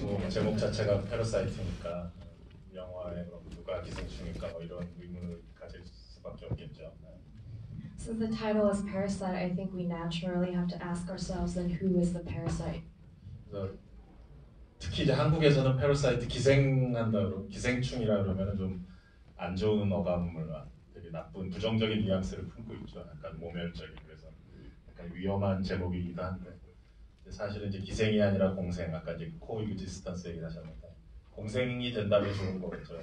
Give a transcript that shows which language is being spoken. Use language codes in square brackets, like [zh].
[ko] 제목 자체가 패러사이트니까 영화에 누가 기생충일까 이런 의문을 가질 수밖에 없겠죠. [en] Since the title is Parasite, I think we naturally have to ask ourselves then who is the parasite? [ko] 특히 이제 한국에서는 패러사이트 기생한다 기생충이라 그러면 좀 안 좋은 어감을 되게 나쁜 부정적인 뉘앙스를 품고 있죠. 약간 모멸적인 그래서. 위험한 제목이기도 한데 사실은 이제 기생이 아니라 공생 아까 이제 코이그지스턴스 얘기하셨는데 공생이 된다면 좋은 거겠죠.